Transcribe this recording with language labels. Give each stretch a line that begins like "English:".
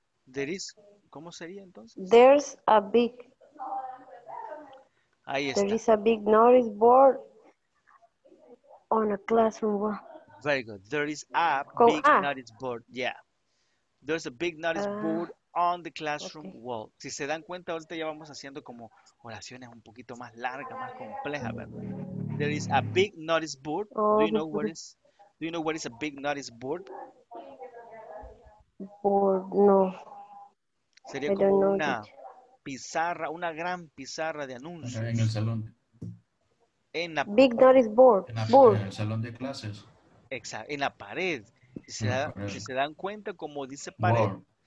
English: There is,
Spanish: ¿cómo sería entonces?
English: There's a big.
Spanish: Ahí está.
English: There is a big notice board on a classroom wall. Very good. There is a notice board. Yeah. There's a big notice board on the classroom wall.
Spanish: Si se dan cuenta, ahorita ya vamos haciendo como oraciones un poquito más largas, más complejas, ¿verdad?
English: There is a big notice board. Do you know what is a big notice board?
Spanish: Board, no. Sería como una pizarra, una gran pizarra de anuncios. En el salón. En la
English: big notice board.
Spanish: En el salón de clases. Exacto, en la pared. Si se, da, si se dan cuenta, como dice pared, board.